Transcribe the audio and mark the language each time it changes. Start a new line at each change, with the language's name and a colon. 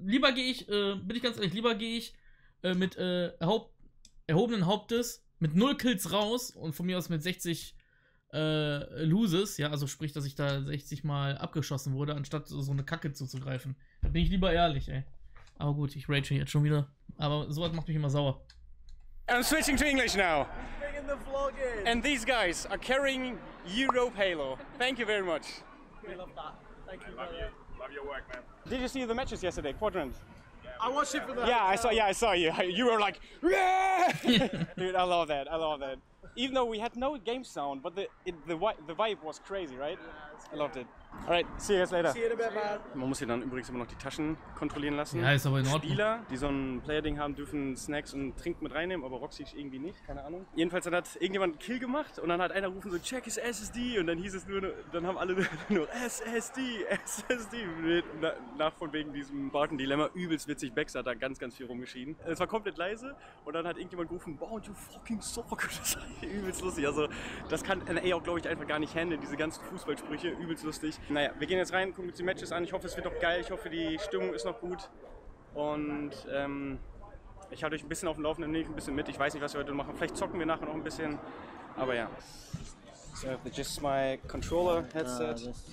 German: Lieber gehe ich, bin ich ganz ehrlich, lieber gehe ich mit erhobenen Hauptes, mit 0 Kills raus und von mir aus mit 60 Loses, ja, also sprich, dass ich da 60 Mal abgeschossen wurde, anstatt so eine Kacke zuzugreifen. Da bin ich lieber ehrlich, ey. Aber gut, ich rage jetzt schon wieder. Aber sowas macht mich immer sauer.
English: I'm switching to English now. The vlog in. And these guys are carrying Europe Halo. Thank you very much. We love that. Thank you. Love your work, man. Did you see the matches yesterday, Quadrant? I watched it for the Yeah, I saw you. You were like, yeah! Dude, I love that. even though we had no game sound, but the vibe was crazy, right? Yeah, I loved it. Alright, see you guys later. See you in a bit, man.
German: Man muss hier dann übrigens immer noch die Taschen kontrollieren lassen. Ja, ist aber in Ordnung. Spieler, die so ein Player-Ding haben, dürfen Snacks und Trinken mit reinnehmen, aber Roxy irgendwie nicht, keine Ahnung. Jedenfalls dann hat irgendjemand einen Kill gemacht und dann hat einer gerufen so,
English: check his SSD
German: und dann hieß es nur, dann haben alle nur SSD, SSD. Nach von wegen diesem Barton-Dilemma, übelst witzig, Bex hat da ganz, ganz viel rumgeschrien. Es war komplett leise und dann hat irgendjemand gerufen,
English: Bound, you fucking suck.
German: Das war übelst lustig. Also das kann NA auch, glaube ich, einfach gar nicht handeln, diese ganzen Fußballsprüche, übelst lustig. Naja, wir gehen jetzt rein, gucken uns die Matches an. Ich hoffe, es wird doch geil. Ich hoffe, die Stimmung ist noch gut. Und ich halte euch ein bisschen auf dem Laufenden, nehme ich ein bisschen mit. Ich weiß nicht, was wir heute machen. Vielleicht zocken wir nachher noch ein bisschen. Aber ja.
English: So, this is my controller headset.